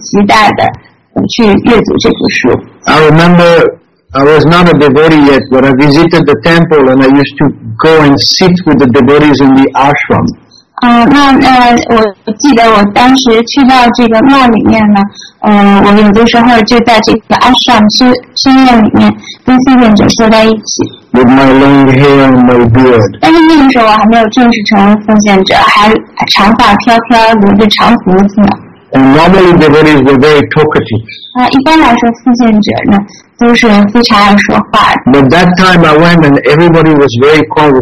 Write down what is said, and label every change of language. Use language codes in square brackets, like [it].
[en] I remember I was not a devotee yet, but I visited the temple and I used to go and sit with the devotees in the ashram. [zh] 我记得我当时去到这个庙里面呢，我有的时候就在这个阿舍姆修炼里面跟修炼者坐在一起。 [en] With my long hair and my beard. [zh] 但是那个时候我还没有正式成为奉献者，还长发飘飘，留着长胡子呢。 [en] And normally devotees were very talkative. [zh] 一般来说，奉献者呢都是非常爱说话。 [en] But that time I went and everybody was very quiet.